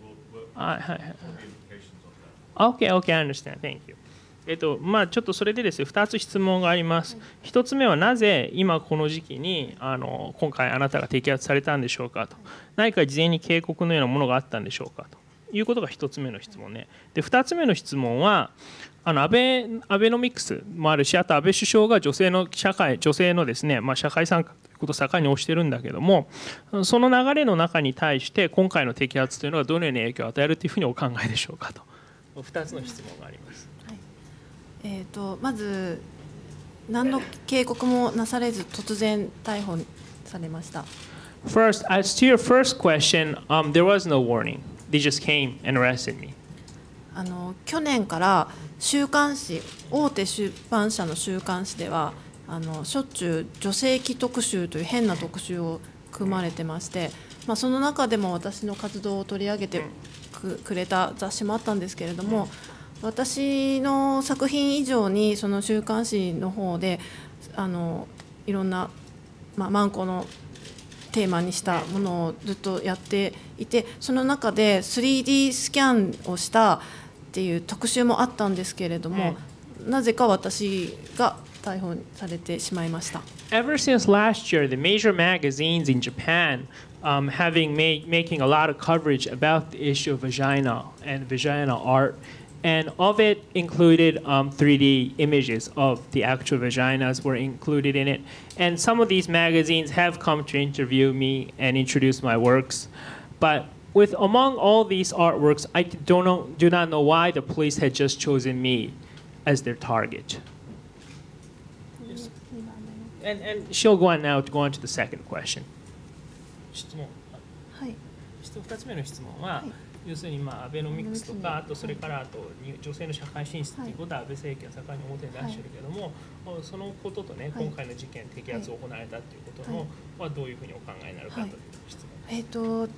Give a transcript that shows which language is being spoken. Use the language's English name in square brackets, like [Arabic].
[English] workforce, what are the implications of that? Okay, okay, I understand. Thank you. [Japanese] まあ、ちょっとそれでですね、2つ質問があります。1つ目はなぜ今この時期に今回あなたが摘発されたんでしょうかと。何か事前に警告のようなものがあったんでしょうかということが1つ目の質問ね。で、2つ目の質問は、アベノミクスもあるし、あと安倍首相が女性のですね、まあ、社会参加ということを盛んに推してるんだけども、その流れの中に対して、今回の摘発というのはどのような影響を与えるというふうにお考えでしょうかと、2つの質問があります。はい、まず、何の警告もなされず、突然逮捕されました。 [English] First, as to your first question, there was no warning. They just came and arrested me. [Japanese] 去年から週刊誌、大手出版社の週刊誌では、しょっちゅう女性記特集という変な特集を組まれてまして、まあ、その中でも私の活動を取り上げてくれた雑誌もあったんですけれども、私の作品以上にその週刊誌の方でいろんな、まあ、マンコのテーマにしたものをずっとやっていて、その中で 3D スキャンをしたっていう特集もあったんですけれども、なぜか私が逮捕されてしまいました。 [English] Ever since last year, the major magazines in Japan making a lot of coverage about the issue of vagina and vagina art, and of it included 3D images of the actual vaginas were included in it. And some of these magazines have come to interview me and introduce my works. But with among all these artworks, I do not know why the police had just chosen me as their target. And she'll go on to the second question. [Japanese] 質問。はい。二つ目の質問は、要するに、まあ、アベノミクスとか、あとそれからあと女性の社会進出ということは安倍政権は盛んに表に出してるけども、そのこととね、今回の事件、摘発を行われたということの、はどういうふうにお考えになるかという質問。